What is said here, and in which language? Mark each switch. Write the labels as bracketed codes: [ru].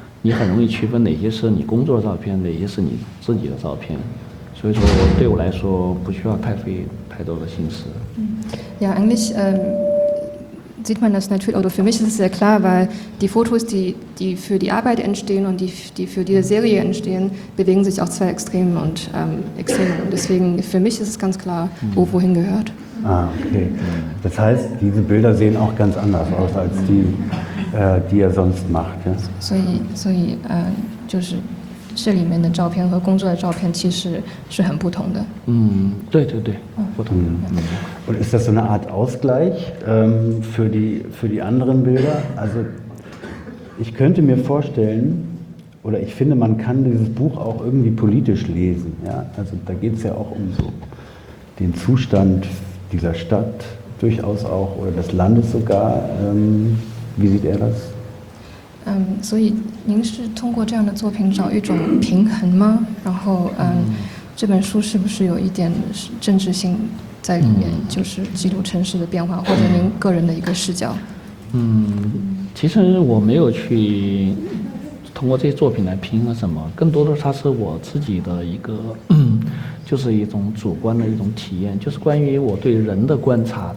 [zh] 你很容易区分哪些是你工作的照片，哪些是你自己的照片，所以说对我来说不需要太费太多的心思。 [de] Ja, eigentlich sieht man das natürlich, oder für mich ist es sehr klar, weil die Fotos, die für die Arbeit entstehen und die für diese Serie entstehen, bewegen sich auch zwei Extremen und Extremen. Und deswegen für mich ist es ganz klar, wohin gehört. Ah, okay. Das heißt, diese Bilder sehen auch ganz anders aus als die. Die er sonst macht. Ja? [zh] So, 就是, 这里面的照片和工作的照片其实是很不同的。嗯，对对对，不同的。 [de] Und ist das so eine Art Ausgleich für die anderen Bilder? Also ich könnte mir vorstellen, oder ich finde, man kann dieses Buch auch irgendwie politisch lesen. Ja? Also da geht es ja auch um so den Zustand dieser Stadt durchaus auch, oder des Landes sogar. Wie sieht er das? [zh] 所以您是通过这样的作品找一种平衡吗？然后，这本书是不是有一点政治性在里面，就是记录城市的变化，或者您个人的一个视角？其实我没有去通过这些作品来平衡什么，更多的它是我自己的一个，就是一种主观的一种体验，就是关于我对人的观察。